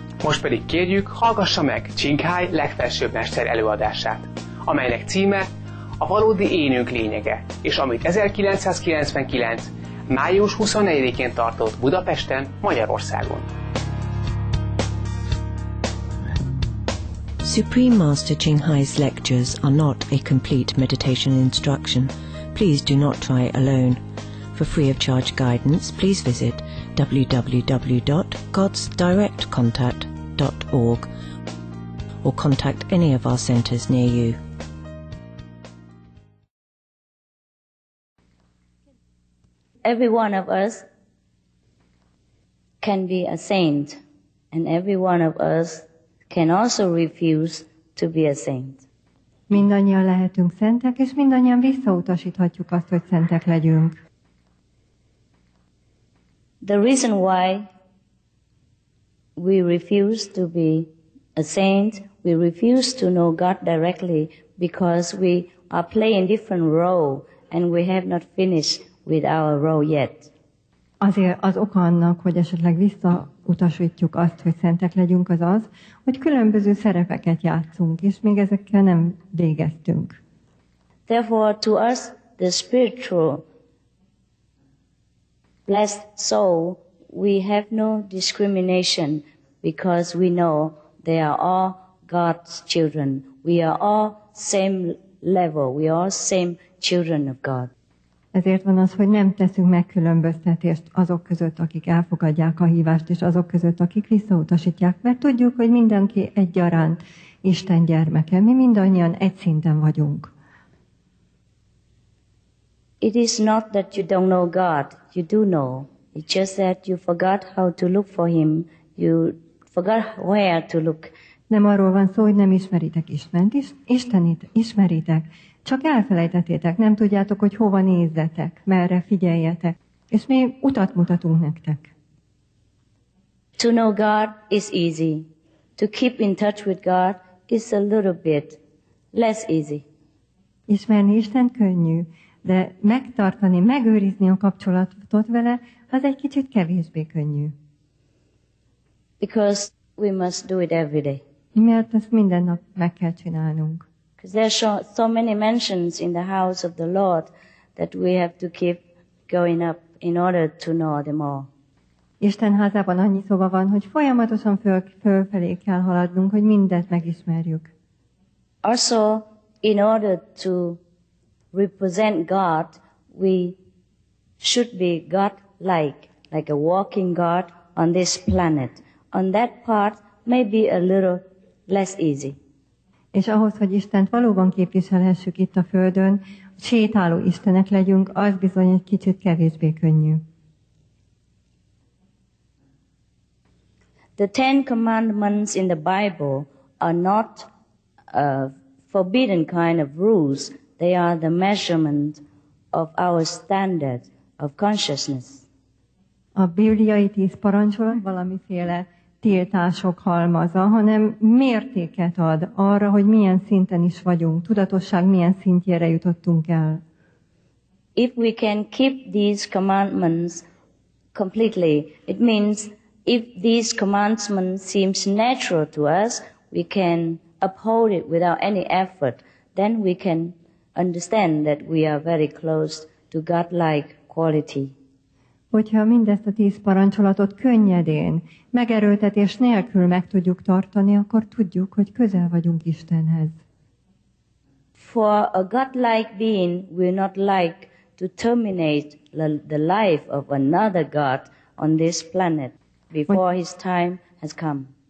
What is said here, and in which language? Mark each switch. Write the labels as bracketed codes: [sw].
[hu] Most pedig kérjük, hallgassa meg Csinghály legfelsőbb mester előadását, amelynek címe A valódi énünk lényege, és amit 1999. május 24-én tartott Budapesten, Magyarországon. [en] Supreme Master Chinghai's lectures are not a complete meditation instruction. Please do not try alone. For free of charge guidance, please visit www.godsdirectcontact.org or contact any of our centers near you. Every one of us can be a saint, and every one of us can also refuse to be a saint. [hu] Mindannyian lehetünk szentek, és mindannyian visszautasíthatjuk azt, hogy szentek legyünk. [en] The reason why we refuse to be a saint, we refuse to know God directly, because we are playing different role, and we have not finished with our role yet. [hu] Azért az oka annak, hogy esetleg visszautasítjuk azt, hogy szentek legyünk, az az, hogy különböző szerepeket játszunk, és még ezekkel nem végeztünk. [en] Therefore, to us, the spiritual blessed soul, we have no discrimination, because we know they are all God's children. We are all same level, we are all same children of God. [hu] Ezért van az, hogy nem teszünk megkülönböztetést azok között, akik elfogadják a hívást, és azok között, akik visszautasítják, mert tudjuk, hogy mindenki egyaránt Isten gyermeke, mi mindannyian egy szinten vagyunk. [en] It is not that you don't know God, you do know. It's just that you forgot how to look for him, you forgot where to look. [hu] Nem arról van szó, hogy nem ismeritek Istent, Istenit ismeritek. Csak elfelejtetétek, nem tudjátok, hogy hova nézzetek, merre figyeljetek. És mi utat mutatunk nektek. [en] To know God is easy. To keep in touch with God is a little bit less easy. [hu] Ismerni Istent könnyű, de megtartani, megőrizni a kapcsolatot vele, az egy kicsit kevésbé könnyű. [en] Because we must do it every day. [hu] Mert ezt minden nap meg kell csinálnunk. [en] There are so many mansions in the house of the Lord that we have to keep going up in order to know them all. [hu] Isten házában annyi szoba van, hogy folyamatosan fölfelé kell haladnunk, hogy mindent megismerjük. [en] Also, in order to represent God, we should be God-like, like a walking God on this planet. On that part, maybe a little less easy. [hu] És ahhoz, hogy Istent valóban képviselhessük itt a Földön, sétáló istenek legyünk, az bizony egy kicsit kevésbé könnyű. [en] The Ten Commandments in the Bible are not a forbidden kind of rules. They are the measurement of our standard of consciousness. [hu] A bibliai 10 parancsolat valamiféle tiltások halmaza, hanem mértéket ad arra, hogy milyen szinten is vagyunk, tudatosság milyen szintjére jutottunk el. [en] If we can keep these commandments completely, it means if these commandments seems natural to us, we can uphold it without any effort, then we can understand that we are very close to God-like quality. [hu] Hogyha mindezt a 10 parancsolatot könnyedén, megerőltetés nélkül meg tudjuk tartani, akkor tudjuk, hogy közel vagyunk Istenhez. [en] For a God-like being will not like to terminate the life of another God on this planet before his time has come.